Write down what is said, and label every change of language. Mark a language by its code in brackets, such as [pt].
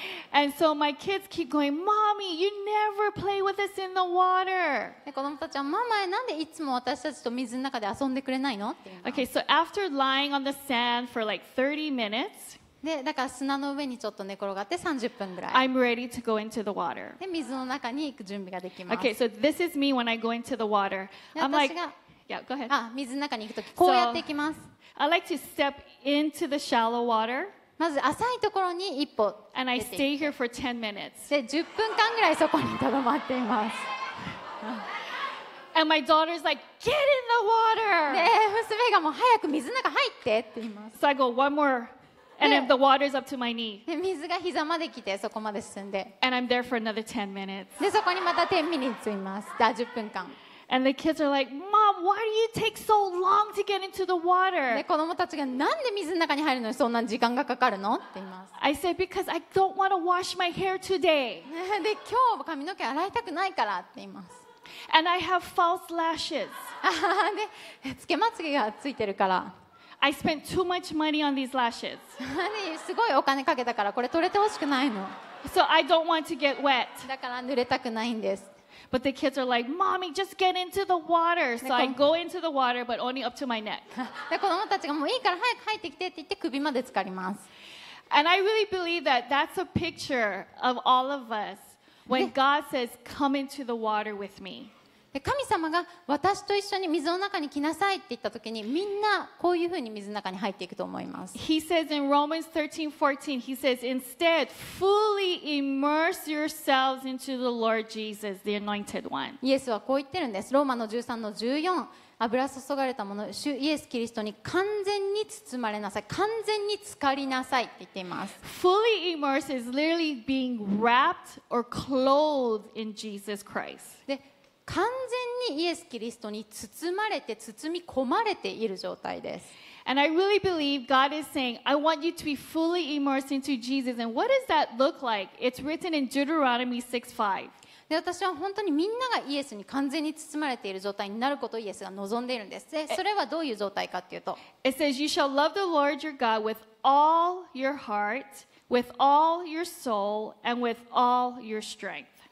[en] And so my kids keep going, "Mommy, you never play with us in the water." [ja] で、子供たちはママ、なんでいつも私たちと水の中で遊んでくれないの? [en] Okay, so after lying on the sand for like 30 minutes, [ja] で、だから砂の上にちょっと寝転がって30分ぐらい。 [en] I'm ready to go into the water. [ja] で、水の中に行く準備ができます。 [en] Okay, so this is me when I go into the water. I'm like, yeah, go ahead. [ja] あ、水の中に行くときこうやって行きます。 [en] I like to step into the shallow water. [ja] まず浅いところに一歩出てい [en] って。And I stay here for 10 minutes. [ja] で、10分間ぐらいそこに留まっています。 [en] And my daughter's like, get in the water! [ja] で、娘がもう早く水の中入ってって言います。 [en] So I go one more And if the water's up to my knee. [ja] で、水が膝まで来て、そこまで進んで。 [en] And I'm there for another 10 minutes. [ja] で、そこにまた [en] 10 minutes [ja] います。だ、10分間。 [en] And the kids are like, Mom, why do you take so long to get into the water? [ja] で、子供たちが、なんで水の中に入るのにそんな時間がかかるの? って言います。 [en] I said, because I don't want to wash my hair today. [ja] で、今日髪の毛洗いたくないからって言います。 [en] And I have false lashes. [ja] で、つけまつげがついてるから。 [en] I spent too much money on these lashes. [ja] すごいお金かけたからこれ取れてほしくないの。 [en] So I don't want to get wet. [ja] だから濡れたくないんです。 [en] But the kids are like, Mommy, just get into the water. So I go into the water, but only up to my neck. [ja] 子供たちがもういいから早く入ってきてって言って首まで浸かります。 [en] And I really believe that that's a picture of all of us when God says, Come into the water with me. [ja] で神様が私と一緒に水の中に来なさいって言った時にみんなこういうふうに水の中に入っていくと思います。 [en] He says in Romans 13:14, he says, instead, fully immerse yourselves into the Lord Jesus, the anointed one. [ja] イエスはこう言ってるんです。ローマの 13:14。油注がれたもの、主イエス・キリストに完全に包まれなさい、完全に浸かりなさいって言っています。 [en] Fully immersed is literally being wrapped or clothed in Jesus Christ. [ja] で完全にイエス・キリストに包まれて包み込まれている状態です。 [en] And I really believe God is saying, I want you to be fully immersed into Jesus. And what does that look like? It's written in Deuteronomy 6:5. [ja] で、私は本当にみんながイエスに完全に包まれている状態になることをイエスが望んでいるんです。で、それはどういう状態かっていうと、 [en] It says, you shall love the Lord your God with all your heart, with all your soul, and with all your strength.